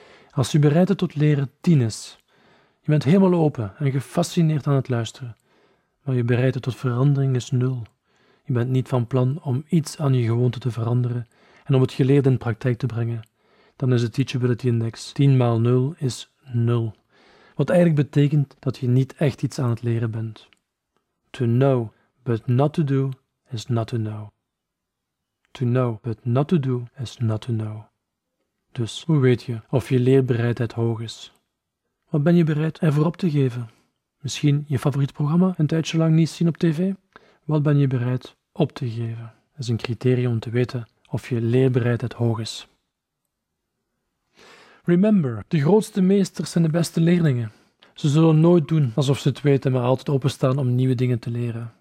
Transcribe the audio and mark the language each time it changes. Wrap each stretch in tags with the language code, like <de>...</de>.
<nl>Als je bereidheid tot leren 10 is, je bent helemaal open en gefascineerd aan het luisteren, maar je bereidheid tot verandering is 0. Je bent niet van plan om iets aan je gewoonte te veranderen en om het geleerde in praktijk te brengen, dan is de Teachability Index 10 maal 0 is 0. Wat eigenlijk betekent dat je niet echt iets aan het leren bent.</nl> <en>To know, but not to do, is not to know. To know, but not to do, is not to know.</en> <nl>Dus, hoe weet je of je leerbereidheid hoog is? Wat ben je bereid ervoor op te geven? Misschien je favoriet programma een tijdje lang niet zien op tv? Wat ben je bereid op te geven? Dat is een criterium om te weten of je leerbereidheid hoog is. Remember, de grootste meesters zijn de beste leerlingen. Ze zullen nooit doen alsof ze het weten, maar altijd openstaan om nieuwe dingen te leren.</nl>